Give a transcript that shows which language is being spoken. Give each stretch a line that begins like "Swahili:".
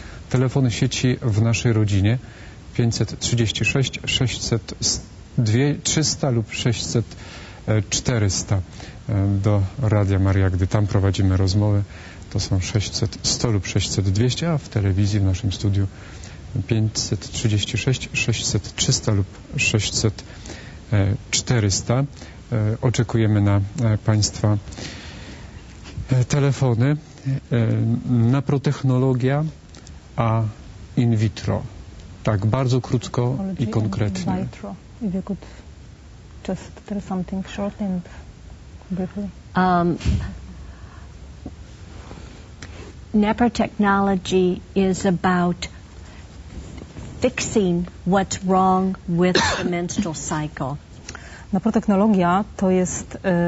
Polish: Telefony sieci w naszej rodzinie 536 602 300 lub 600 400 do Radia Maria, gdy tam prowadzimy rozmowy, to są 600, 100 lub 600, 200, a w telewizji w naszym studiu 536, 600, 300 lub 600, 400. Oczekujemy na Państwa telefony. Naprotechnologia a in vitro. Tak, bardzo krótko i konkretnie.
English: Just tell something short and briefly. NEPR technology is about fixing what's wrong with the menstrual cycle.
Polish: NEPR technologia to jest